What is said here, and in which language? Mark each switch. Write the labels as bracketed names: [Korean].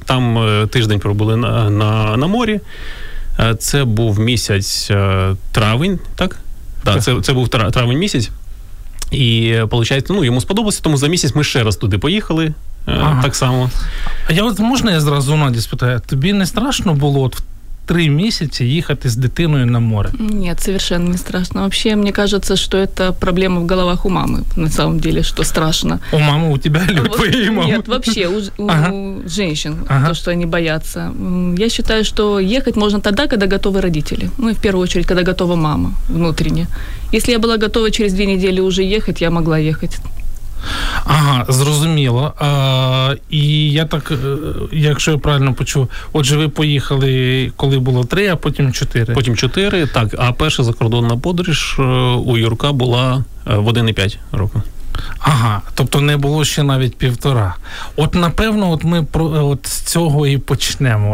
[Ukrainian] Там тиждень пробули на морі. Це був місяць травень, так? Так, це був травень місяць. І, виходить, ну, йому сподобалося, тому за місяць ми ще раз туди поїхали. Ага. Так само. А я от, можна я зразу Наді спитаю, тобі не страшно було от 3 місяці ехать с дитиной на море? [Russian] Нет, совершенно не страшно. Вообще, мне кажется, что это проблема в головах у мамы, на самом деле, что страшно. У мамы, у тебя или у твоей мамы? Нет, вообще, у женщин, ага. То, что они боятся. Я считаю, что ехать можно тогда, когда готовы родители. Ну, и в первую очередь, когда готова мама внутренне. Если я была готова через 2 недели уже ехать, я могла ехать. [Ukrainian] Ага, зрозуміло. І я так, якщо я правильно почув, отже, ви поїхали, коли було 3, а потім 4. Потім 4, так. А перша закордонна подорож у Юрка була в 1,5 року. Ага, тобто не було ще навіть 1,5. От, напевно, от ми от з цього і почнемо.